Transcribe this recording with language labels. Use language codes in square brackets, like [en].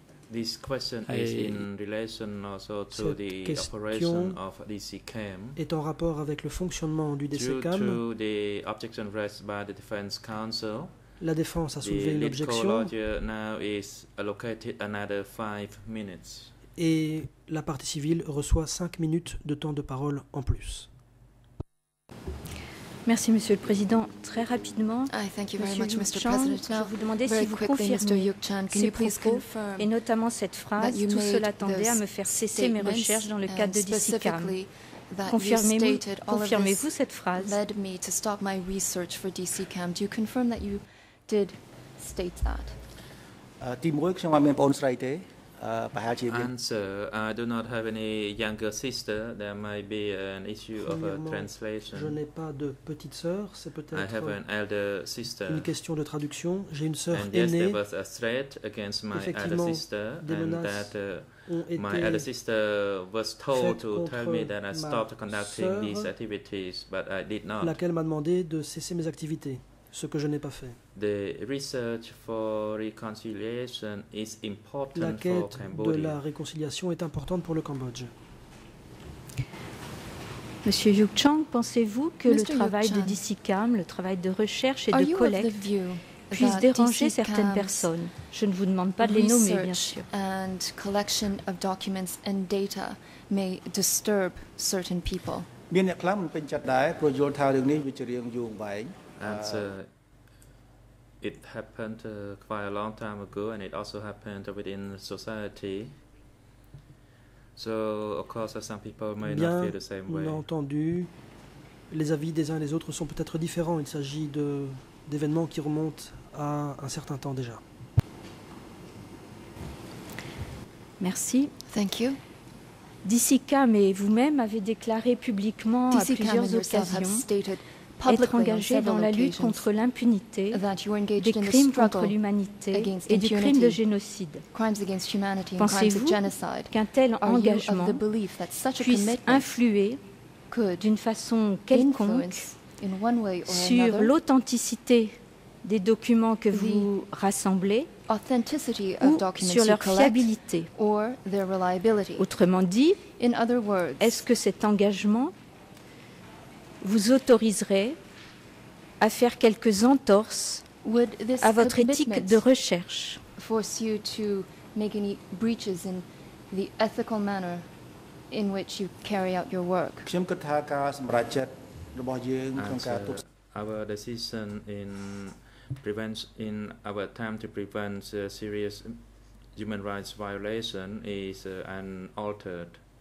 [en] This question is in relation also to the operation of DCCAM. [fr] Est en rapport avec le fonctionnement du DCCAM. [en] Due to the objection raised by the defense counsel. [fr] La défense a soulevé une objection. [en] The lead co-lawyer now is allocated another 5 minutes. [fr] Et la partie civile reçoit 5 minutes de temps de parole en plus. Merci, Monsieur le Président. Très rapidement, Monsieur Yuk-chan, je vous demandais si vous confirmez ces propos et notamment cette phrase, « Tout cela tendait à me faire cesser mes recherches dans le cadre de DCCAM ». Confirmez-vous cette phrase ? [en] Led me to stop my research for DCCAM. Do you confirm that you did state that ? Answer, I do not have any younger sister. There might be an issue of a translation. [fr] Je n'ai pas de petite sœur. C'est peut-être [en] I have an elder sister. [fr] Une question de traduction. J'ai une sœur aînée. [en] And yes, there was a threat against my elder sister. [fr] Effectivement, des menaces [en] my elder sister was told to tell me that I stopped conducting these activities, but I did not. [fr] Laquelle m'a demandé de cesser mes activités, ce que je n'ai pas fait. [en] The research for reconciliation is important [fr] la quête [en] for Cambodia. [fr] De la réconciliation est importante pour le Cambodge. Monsieur Yuk Chang, pensez-vous que le travail de DCCAM, le travail de recherche et [en] are [fr] de collecte, puisse déranger certaines personnes? Je ne vous demande pas de les nommer, bien sûr. [en] and collection of documents and data may disturb certain people. It happened quite a long time ago, and it also happened within society. So, of course, some people may [fr] bien [en] not feel the same way. [fr] Bien entendu, les avis des uns et des autres sont peut-être différents. Il s'agit d'événements qui remontent à un certain temps déjà. Merci. [en] Thank you. [fr] DC Cam et vous-même avez déclaré publiquement DC à plusieurs occasions être engagé dans la lutte contre l'impunité, des crimes contre l'humanité et des crimes de génocide. Pensez-vous qu'un tel engagement puisse influer d'une façon quelconque sur l'authenticité des documents que vous rassemblez ou sur leur fiabilité? Autrement dit, est-ce que cet engagement vous autoriserait à faire quelques entorses à votre éthique de recherche? [en] Force you to make any breaches in the ethical manner in which you carry out your work? Our decision in our attempt to prevent serious human rights violation is unaltered.